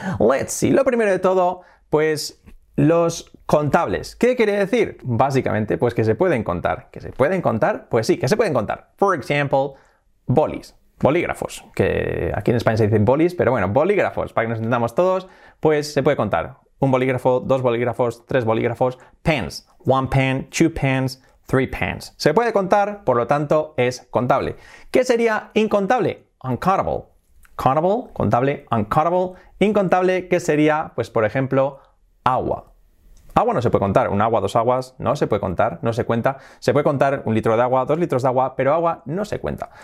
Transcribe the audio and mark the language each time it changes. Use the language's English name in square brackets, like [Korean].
[English] Let's see, [Spanish] lo primero de todo, pues los contables. ¿Qué quiere decir? Básicamente, pues que se pueden contar. ¿Que se pueden contar? Pues sí, que se pueden contar. [English] For example, [Spanish] bolis. Bolígrafos. Que aquí en España se dicen bolis, pero bueno, bolígrafos. Para que nos entendamos todos, pues se puede contar. Un bolígrafo, dos bolígrafos, tres bolígrafos. Pens. [English] One pen, two pens, three pens. [Spanish] Se puede contar, por lo tanto, es contable. ¿Qué sería incontable? Uncountable. Countable, contable, uncountable. Incontable, ¿qué sería? Pues, por ejemplo, agua. Agua no se puede contar. Un agua, dos aguas, no se puede contar, no se cuenta. Se puede contar un litro de agua, dos litros de agua, pero agua no se cuenta.